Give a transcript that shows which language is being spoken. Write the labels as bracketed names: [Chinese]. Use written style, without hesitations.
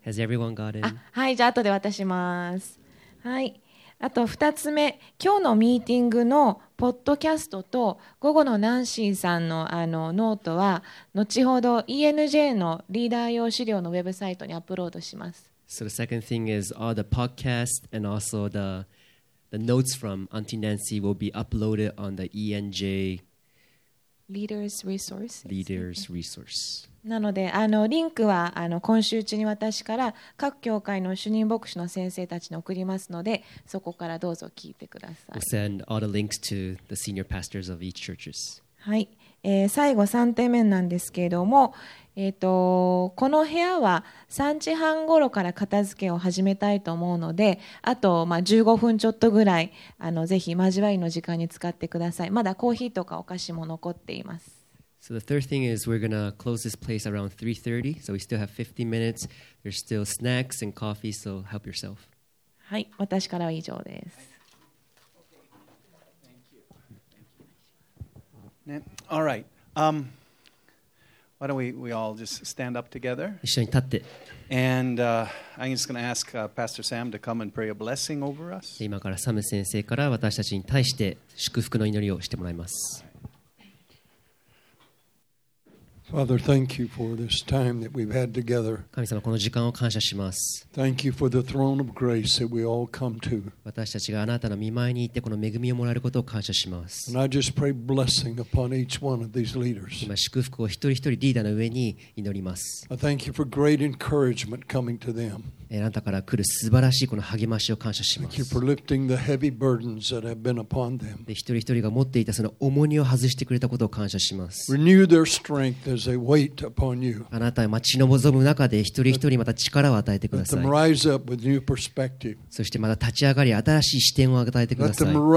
[English] Has everyone gotten? [Japanese] あ、はい、じゃあ後で渡します。はい。あと2つ目、今日のミーティングのポッドキャストと午後のナンシーさん の, あのノートは後ほど ENJ のリーダー用資料のウェブサイトにアップロードします。 [English] So the second thing is all the podcast and also the notes from Auntie Nancy will be uploaded on the ENJ. Leaders resource. Leaders resource. [Japanese] なのでリンクは今週中に私から各教会の主任牧師の先生たちに送りますのでそこからどうぞ聞いてください。 [English] We'll send all the links to the senior pastors of each churches. [Japanese] はい、最後3点目なんですけれども、この部屋は3時半ごろから片付けを始めたいと思うのであと、まあ、15分ちょっとぐらいぜひ交わりの時間に使ってください。まだコーヒーとかお菓子も残っています。 [English] So the third thing is we're going to close this place around 3:30 so we still have 50 minutes. There's still snacks and coffee so help yourself. [Japanese] はい、私からは以上です。 [English] ね、all right. Why don't we all just stand up together? [Japanese] 一緒に立って。 [English] And I'm just going to ask Pastor Sam to come and pray a blessing over us. [Japanese] 今からサム先生から私たちに対して祝福の祈りをしてもらいます。 [English] Father, thank you for this time that we've had together. [Japanese] 神様、この時間を感謝します。 [English] Thank you for the throne of grace that we all come to. [Japanese] 私たちがあなたの御前に行ってこの恵みをもらえることを感謝します。 [English] And I just pray blessing upon each one of these leaders. [Japanese] 今、祝福を一人一人リーダーの上に祈ります。 [English] I thank you for great encouragement coming to them. [Japanese] あなたから来る素晴らしいこの励ましを感謝します。 [English] Thank you for lifting the heavy burdens that have been upon them. [Japanese] 一人一人が持っていたその重荷を外してくれたことを感謝します。 [English] Renew their strength. As they wait upon you. [Japanese] あなたが待ち望む中で一人一人また力を与えてください。そしてまた立ち上がり新しい視点を与えてください。